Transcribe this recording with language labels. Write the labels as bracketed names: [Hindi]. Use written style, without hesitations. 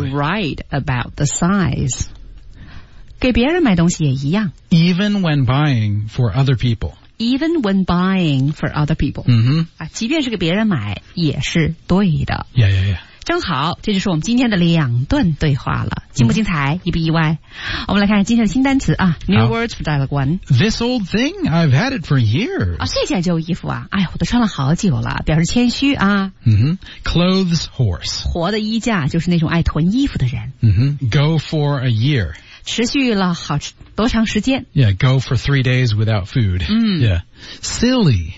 [English] right about the size. [Chinese] 给别人买东西也一样。 [English] Even when buying for other people. Even when buying for other people. [Chinese] 即便是给别人买也是对的。正好，这就是我们今天的两段对话了，精不精彩，意不意外？我们来看今天的新单词啊 ， [English] New words for dialogue one. This old thing, I've had it for years. [Chinese] 啊，这件旧衣服啊，哎呀，我都穿了好久了，表示谦虚啊。 [English] Clothes horse. [Chinese] 活的衣架就是那种爱囤衣服的人。 [English] Go for a year. [Chinese] 持续了好多长时间 [English] ？Yeah, go for 3 days without food. Yeah. Silly.